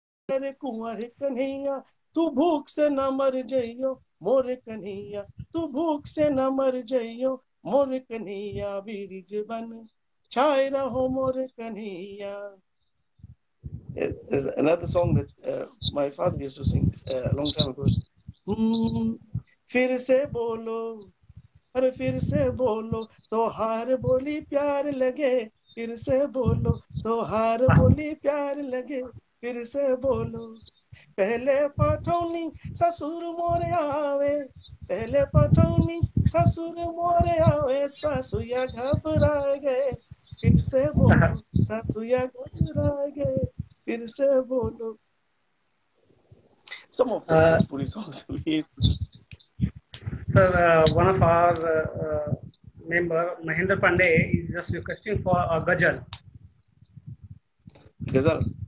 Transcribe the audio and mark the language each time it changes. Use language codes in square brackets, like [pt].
[bho] कुंवर कन्हैया तू भूख से न मर जइयो मोरे कन्हैया तू भूख से न मर जइयो मोरे कन्हैया बीरिज बन छाए रहो मोरे Kanhaiya. [en] There's another song that my father used to sing a long time ago. [bho] फिर से बोलो अरे फिर से बोलो तो हार बोली प्यार लगे फिर से बोलो तो हार बोली प्यार लगे फिर से बोलो पहले पठौनी ससुर मोरे आवे पहले पठौनी ससुर मोरे आवे ससुया घबरा गए फिर से बोलो ससुया घबरा गए फिर से बोलो. [en] Some of the Bhojpuri songs we sir, one of our member Mahendra Pandey is just requesting for a gazal.